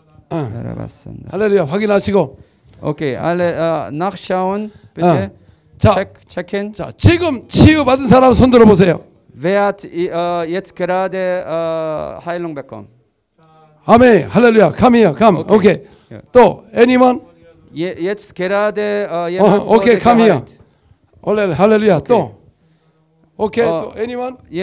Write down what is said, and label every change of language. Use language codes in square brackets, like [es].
[ko] Halleluja, 확인하시고. [de] Okay, alle nachschauen, bitte. Checken. [ko] 자, 지금 치유 받은 사람 손 들어 보세요. [de] Wer hat jetzt gerade Heilung bekommen? [en] Amen. Halleluja. Come here, come. Okay. Okay. Yeah. 또 anyone? [de] Jetzt gerade [en] okay, come here. Halleluja. Okay. 또. Okay, to anyone?